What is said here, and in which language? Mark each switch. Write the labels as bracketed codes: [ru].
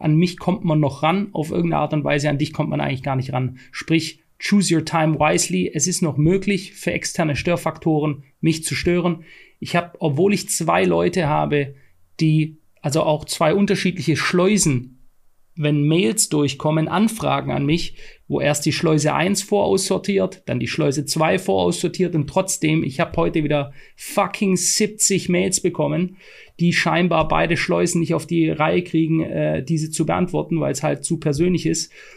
[de] An mich kommt man noch ran, auf irgendeine Art und Weise. An dich kommt man eigentlich gar nicht ran. [en] Sprich, choose your time wisely. [de] Es ist noch möglich, für externe Störfaktoren mich zu stören. Ich habe, obwohl ich zwei Leute habe, die, also auch zwei unterschiedliche Schleusen, wenn Mails durchkommen, Anfragen an mich, wo erst die Schleuse 1 voraussortiert, dann die Schleuse 2 voraussortiert und trotzdem, ich habe heute wieder fucking 70 Mails bekommen, die scheinbar beide Schleusen nicht auf die Reihe kriegen, diese zu beantworten, weil es halt zu persönlich ist.